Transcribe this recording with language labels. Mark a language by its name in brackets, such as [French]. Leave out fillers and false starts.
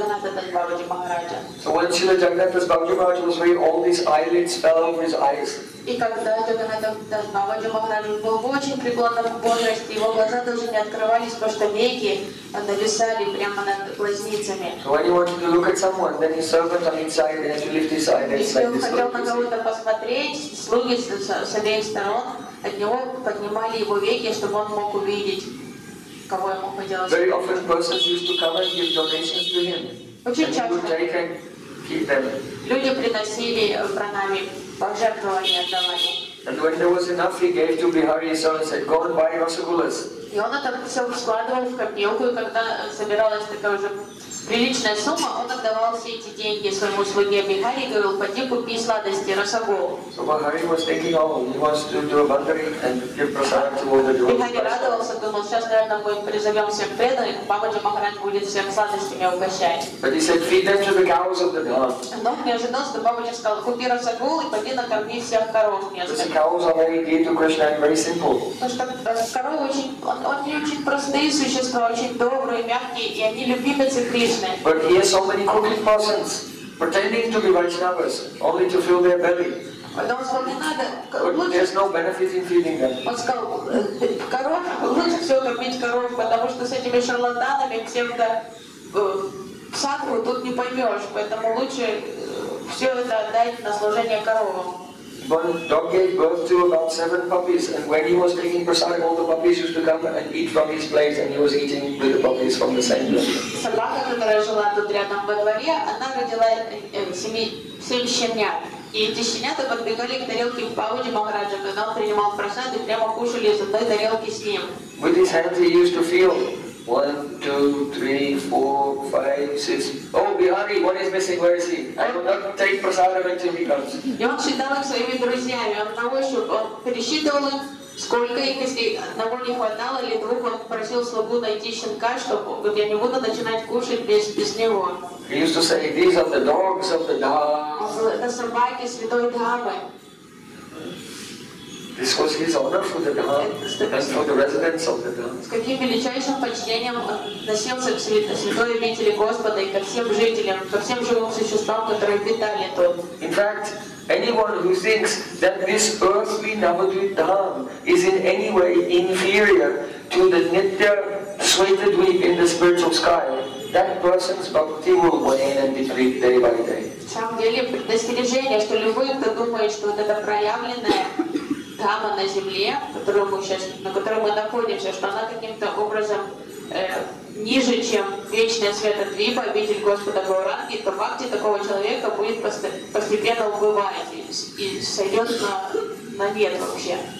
[English] So when Srila Jagannatha Das Babaji Maharaja was weighing, all these eyelids fell over his eyes. So when he wanted to look at someone, then his servant on each side had to lift his eyelids like this. [Russian] От него поднимали его веки, чтобы он мог увидеть, кого ему хотелось. [English] Very often persons used to come and give donations to him. [Russian] Очень часто. [English] And he would take and keep them. [Russian] Люди приносили пранами, пожертвования отдавали. [English] And when there was enough, he gave to Bihari, so he said, go and buy rasagullas. [Russian] И он это все складывал в копилку, и когда собиралась такая уже приличная сумма, он отдавал все эти деньги своему слуге Бихари и говорил, пойди купи сладости, расагул. [English] So Bihari was thinking, oh, he wants to do a bandari and give prasad to all the devotees. [Russian] Bihari радовался, думал, сейчас, наверное, мы призовем всех преданных, Бабаджи Махарадж будет всем сладостями угощать. [English] But he said, feed them to the cows of the dawn. [Russian] Но не ожидал, что Бабаджи сказал, купи расагул и пойди накорми всех коров. [English] Because the cows are very dear to Krishna and very simple. [Russian] Они очень простые существа, очень добрые, мягкие, и они любимцы Кришны. [English] But here so many crooked persons pretending to be Vaishnavas only to fill their belly. But there's no benefit in feeding them. [Russian] Он сказал, коров, лучше всего кормить коров, потому что с этими шарлатанами всем-то садху тут не поймешь, поэтому лучше все это отдать на служение коровам. [English] One dog gave birth to about 7 puppies, and when he was taking prasad, all the puppies used to come and eat from his plate, and he was eating with the puppies from the same place. [Russian] Собака, которая жила тут рядом во дворе, она родила 7 щенят, и эти щенята подбегали к тарелке Бабаджи Махараджа, когда он принимал прасад, и прямо кушали из одной тарелки с ним. [English] With his hands, he used to feel 1, 2, 3, 4, 5, 6. Oh, Bihari, what is missing? Where is he? I will not take prasad until he comes. [Russian] И он считал их своими друзьями. Он на ощупь, он пересчитывал их, сколько их, если одного не хватало или двух, он просил слугу найти щенка, чтобы я не буду начинать кушать без него. [English] He used to say, these are the dogs of the Dharma. [Russian] Это собаки святой Дхармы. [English] This was his honor for the Dharma and for the residents of the Dharma. [Russian] С каким величайшим почтением относился к святой обители Господа и ко всем жителям, ко всем живым существам, которые обитали тут. [English] In fact, anyone who thinks that this earthly Navadvip Dham is in any way inferior to the Nitya Svetadvip in the spiritual sky, that person's bhakti will wane and deplete day by day. [Russian] В самом деле, предостережение, что любой, кто думает, что вот это проявленное Дхама на земле, на которой мы находимся, что она каким-то образом ниже, чем вечная Светодвипа, обитель Господа Гауранги, то бхакти такого человека будет постепенно убывать и сойдет на нет вообще.